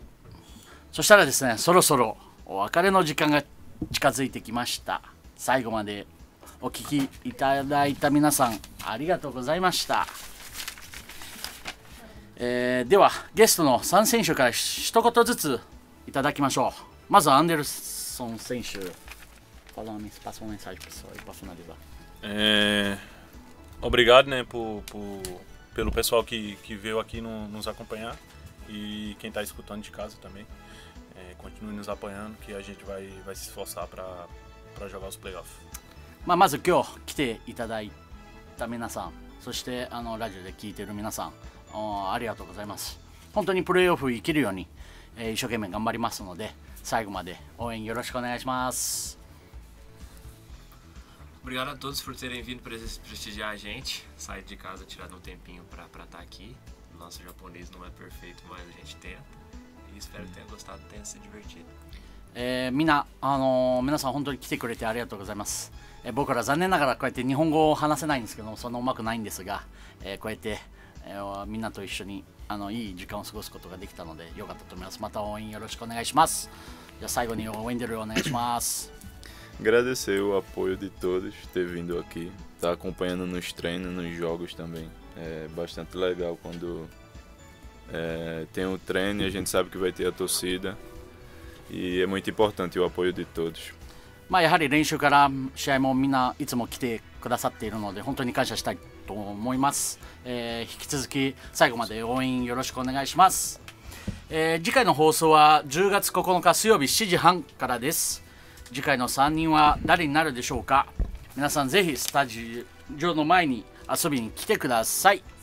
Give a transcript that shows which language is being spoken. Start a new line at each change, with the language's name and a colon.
Japanese: OK、 そしたらですね、そろそろお別れの時間が近づいてきました。最後までお聞きいただいた皆さんありがとうございました。ではゲストの3選手から一言ずついただきましょう。まずアンデルソン選手、
Portuguese: passa uma mensagem para o pessoal aí para finalizar. Obrigado, né, pelo pessoal que veio aqui nos acompanhar e quem está escutando de casa também. Continue nos apoiando que a gente vai se esforçar para jogar os playoffs.
Japanese: Mas, まず今日来ていただいた皆さん、そしてあのラジオで聞いている皆さん、ありがとうございます。本当にプレーオフ行けるように、一生懸命頑張りますので、最後まで応援よろしくお願いします。
Portuguese: Obrigado a todos por terem vindo para prestigiar a gente, sair de casa, tirar um tempinho para estar aqui. Nosso japonês não é perfeito, mas a gente tenta. E espero que tenham gostado, tenha se divertido.
Japanese: Mina, 皆さん本当に来てくれてありがとうございます。僕ら残念ながらこうやって日本語を話せないんですけど、そんなうまくないんですが、こうやってみんなと一緒にいい時間を過ごすことができたので良かったと思います。また応援よろしくお願いします。じゃあ最後にウェンデルお願いします。
Portuguese: Agradecer o apoio de todos ter vindo aqui, tá acompanhando nos treinos, nos jogos também. É bastante legal quando tem o treino e a gente sabe que vai ter a torcida. E é muito importante o apoio de todos.
Japanese: Mas, やはり練習から試合もみんないつも来てくださっているので本当に感謝したいと思います。引き続き最後まで応援よろしくお願いします。次回の放送は10月9日水曜日7時半からです。次回の3人は誰になるでしょうか。皆さんぜひスタジオの前に遊びに来てください。